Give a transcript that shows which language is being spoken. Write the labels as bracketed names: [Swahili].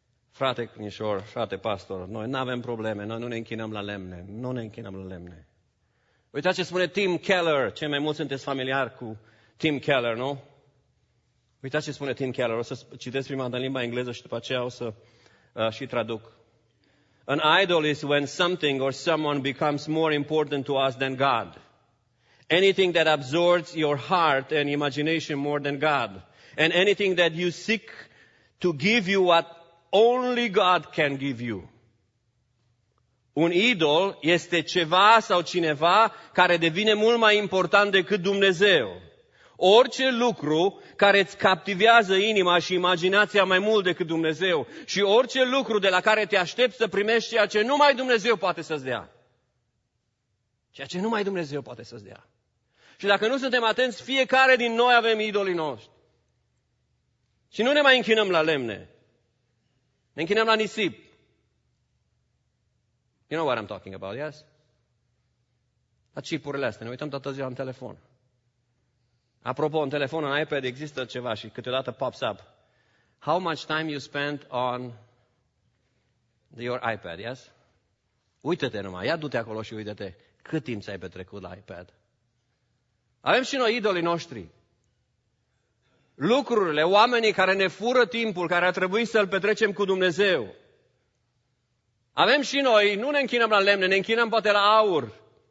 [Romanian] Frate Cnișor, frate pastor, noi nu avem probleme, noi nu ne închinăm la lemne, nu ne închinăm la lemne. Uitați ce spune Tim Keller, cei mai mulți sunteți familiar cu Tim Keller, nu? Uitați ce spune Tim Keller, o să citesc prima dată în limba engleză și după aceea o să și traduc. [English] An idol is when something or someone becomes more important to us than God. Anything that absorbs your heart and imagination more than God. And anything that you seek to give you what only God can give you. [Romanian] Un idol este ceva sau cineva care devine mult mai important decât Dumnezeu. Orice lucru care îți captivează inima și imaginația mai mult decât Dumnezeu. Și orice lucru de la care te aștepți să primești ceea ce numai Dumnezeu poate să-ți dea. Ceea ce numai Dumnezeu poate să-ți dea. Și dacă nu suntem atenți, fiecare din noi avem idolii noștri. Și nu ne mai închinăm la lemne. Ne închinăm la nisip. [English] You know what I'm talking about, yes? [Romanian] La chipurile astea, ne uităm toată ziua în telefon. Apropo, un telefon, un iPad, există ceva și câteodată [English] pops up. How much time you spend on your iPad, yes? [Romanian] Uită-te numai, ia du-te acolo și uită-te cât timp ți-ai petrecut la iPad. Avem și noi idolii noștri. Lucrurile, oamenii care ne fură timpul, care ar trebui să-l petrecem cu Dumnezeu. Avem și noi, nu ne închinăm la lemne, ne închinăm poate la aur.